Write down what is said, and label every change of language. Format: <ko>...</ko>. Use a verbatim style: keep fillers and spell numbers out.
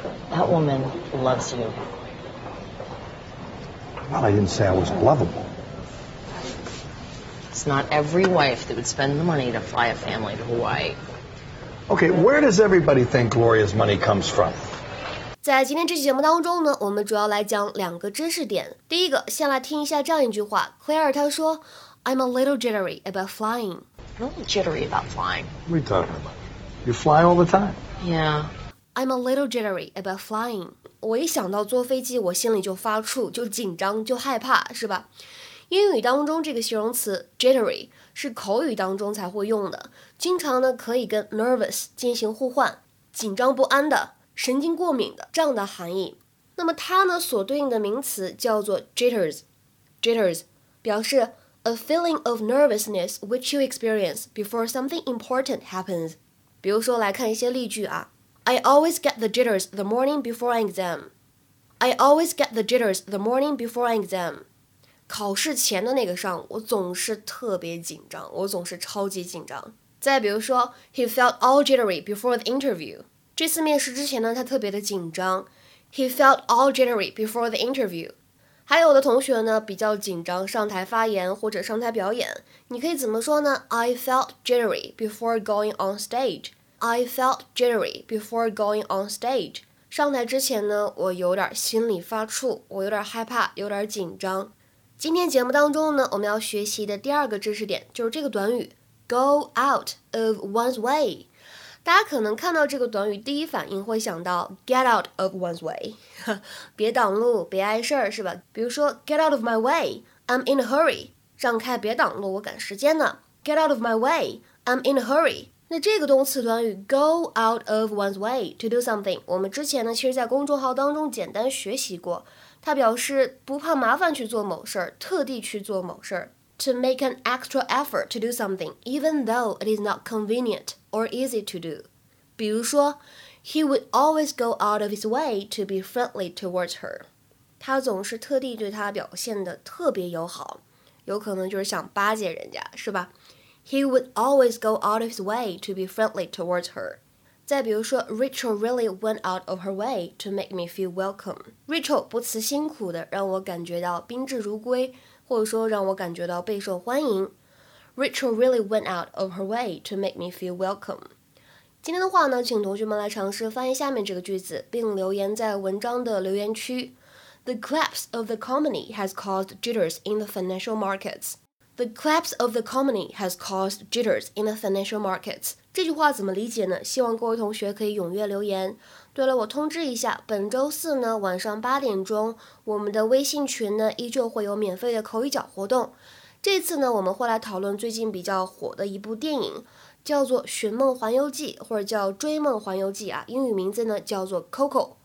<en>That woman loves you. Well, I didn't say I was lovable. It's not every wife that would spend the money to fly a family to Hawaii. Okay, where does everybody think Gloria's money comes from?</en> <zh>在今天这期节目当中呢，我们主要来讲两个知识点。第一个，先来听一下这样一句话 Claire 她说</zh> <en>I'm a little jittery about flying I'm a little jittery about flying What are you talking about? You fly all the time Yeah I'm a little jittery about flying</en> <zh>我一想到坐飞机，我心里就发怵，就紧张，就害怕，是吧？英语当中这个形容词 jittery 是口语当中才会用的，经常呢可以跟 nervous 进行互换，紧张不安的，神经过敏的这样的含义。那么它呢所对应的名词叫做</zh> <en>jitters jitters 表示 a feeling of nervousness which you experience before something important happens</en> <zh>比如说来看一些例句啊</zh> <en>I always get the jitters the morning before an exam I always get the jitters the morning before an exam</en> <zh>考试前的那个上午，我总是特别紧张，我总是超级紧张。再比如说</zh> <en>He felt all jittery before the interview</en> <zh>这次面试之前呢，他特别的紧张 He felt all jittery before the interview 还有的同学呢比较紧张，上台发言或者上台表演，你可以怎么说呢？</zh> <en>I felt jittery before going on stage I felt jittery before going on stage</en> <zh>上台之前呢，我有点心里发怵，我有点害怕，有点紧张。今天节目当中呢，我们要学习的第二个知识点就是这个短语 Go out of one's way 大家可能看到这个短语第一反应会想到 get out of one's way 别挡路，别碍事儿，是吧？</zh> <en>比如说 get out of my way, I'm in a hurry，</en> <zh>让开，别挡路，我赶时间呢。</zh> <en>get out of my way, I'm in a hurry。</en> <zh>那这个动词短语 go out of one's way to do something， 我们之前呢其实在公众号当中简单学习过，它表示不怕麻烦去做某事儿，特地去做某事儿。</zh> <en>To make an extra effort to do something, even though it is not convenient or easy to do.</en> <zh>比如说</zh> <en>he would always go out of his way to be friendly towards her.</en> <zh>他总是特地对她表现得特别友好，有可能就是想巴结人家，是吧？</zh> <en>He would always go out of his way to be friendly towards her.</en> <zh>再比如说</zh> <en>Rachel really went out of her way to make me feel welcome.</en> <zh>Rachel 不辞辛苦地让我感觉到宾至如归，或者说让我感觉到备受欢迎。</zh> <en>Rachel really went out of her way to make me feel welcome。</en> <zh>今天的话呢，请同学们来尝试翻译下面这个句子，并留言在文章的留言区。</zh> <en>The collapse of the company has caused jitters in the financial markets. The collapse of the company has caused jitters in the financial markets.</en> <zh>这句话怎么理解呢？希望各位同学可以踊跃留言。对了，我通知一下，本周四呢晚上八点钟，我们的微信群呢依旧会有免费的口语角活动。这次呢我们会来讨论最近比较火的一部电影，叫做《寻梦环游记》或者叫《追梦环游记》啊，英语名字呢叫做 Coco。</zh>